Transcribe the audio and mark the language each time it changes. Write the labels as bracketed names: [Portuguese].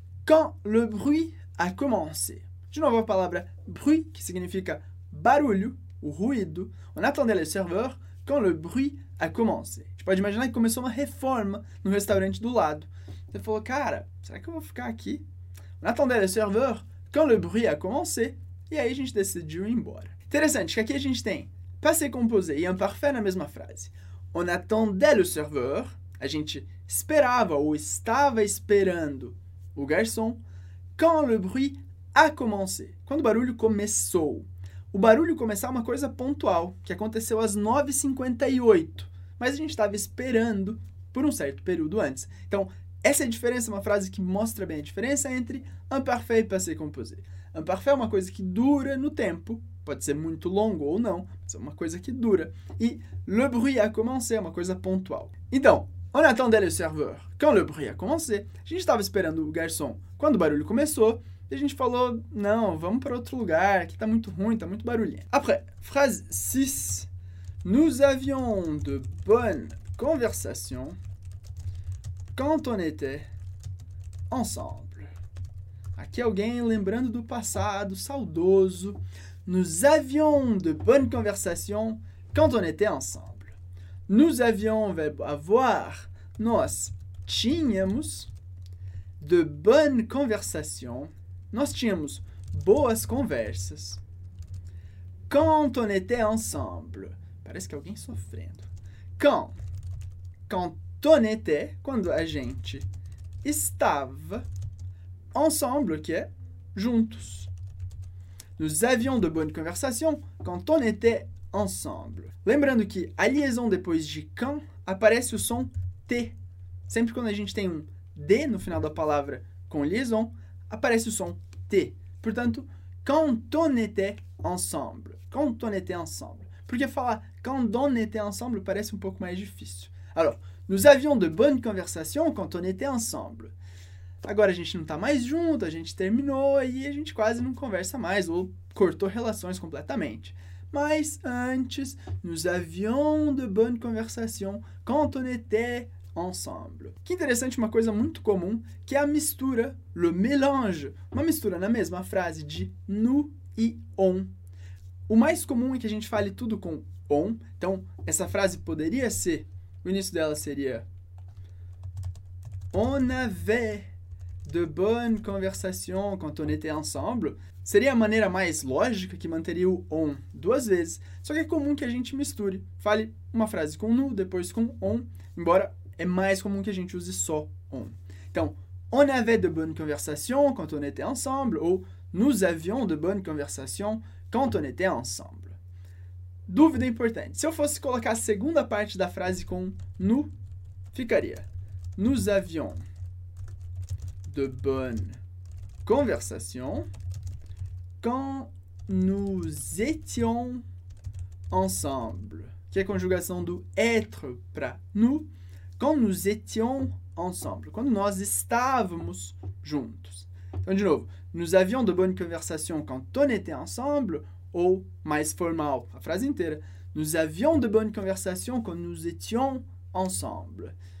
[French] quand le bruit a commencé. Je n'en vois pas la vraie. Bruit qui signifie barulho ou ruído. On attendait le serveur quand le bruit a commencé. Je peux imaginer que [Portuguese] começou uma reforma no restaurante do lado. Ele falou, cara, será que eu vou ficar aqui? [French] On attendait le serveur quand le bruit a commencé. [Portuguese] E aí a gente decidiu ir embora. Interessante que aqui a gente tem passé composé e imparfait na mesma frase. [French] On attendait le serveur. [Portuguese] A gente esperava ou estava esperando o garçom. [French] Quand le bruit a commencé. [Portuguese] Quando o barulho começou. O barulho começar é uma coisa pontual, que aconteceu às 9h58. Mas a gente estava esperando por um certo período antes. Então, essa é a diferença, uma frase que mostra bem a diferença entre imparfait e passé composé. Imparfait é uma coisa que dura no tempo, pode ser muito longo ou não, mas é uma coisa que dura. [French] E le bruit a commencé [Portuguese] é uma coisa pontual. Então, [French] on attendait le serveur quand le bruit a commencé. [Portuguese] A gente estava esperando o garçom quando o barulho começou. E a gente falou, não, vamos para outro lugar, aqui está muito ruim, está muito barulhento. [French] Après, phrase 6. Nous avions de bonnes conversations quand on était ensemble. [Portuguese] Aqui alguém lembrando do passado, saudoso. [French] Nous avions de bonnes conversations quand on était ensemble. Nous avions, verbo avoir, [Portuguese] nós tínhamos [French] de bonnes conversations. [Portuguese] Nós tínhamos boas conversas. [French] Quand on était ensemble. [Portuguese] Parece que alguém sofrendo. [French] Quand on était, [Portuguese] quando a gente estava [French] ensemble, [Portuguese] que é juntos. [French] Nous avions de bonnes conversations quand on était ensemble. [Portuguese] Lembrando que a liaison depois de quand aparece o som T. Sempre quando a gente tem um D no final da palavra com liaison, aparece o som T. Portanto, [French] quand on était ensemble. Quand on était ensemble. [Portuguese] Porque falar [French] quand on était ensemble [Portuguese] parece um pouco mais difícil. [French] Alors, nous avions de bonnes conversations quand on était ensemble. [Portuguese] Agora a gente não está mais junto, a gente terminou e a gente quase não conversa mais ou cortou relações completamente. Mas antes, [French] nous avions de bonnes conversations quand on était ensemble. [Portuguese] Que interessante, uma coisa muito comum, que é a mistura, [French] le mélange, [Portuguese] uma mistura na mesma frase de nous e on. O mais comum é que a gente fale tudo com on, então essa frase poderia ser, o início dela seria [French] on avait de bonnes conversations quand on était ensemble. [Portuguese] Seria a maneira mais lógica que manteria o on duas vezes, só que é comum que a gente misture, fale uma frase com nous, depois com on, embora é mais comum que a gente use só on. Então, [French] on avait de bonnes conversations quand on était ensemble ou nous avions de bonnes conversations quand on était ensemble. [Portuguese] Dúvida importante. Se eu fosse colocar a segunda parte da frase com nous, ficaria [French] nous avions de bonnes conversations quand nous étions ensemble. [Portuguese] Que é a conjugação do être para nous. [French] Quand nous étions ensemble. [Portuguese] Quando nós estávamos juntos. Então, de novo, [French] nous avions de bonnes conversations quand on était ensemble, [Portuguese] ou mais formal, a frase inteira, [French] nous avions de bonnes conversations quand nous étions ensemble.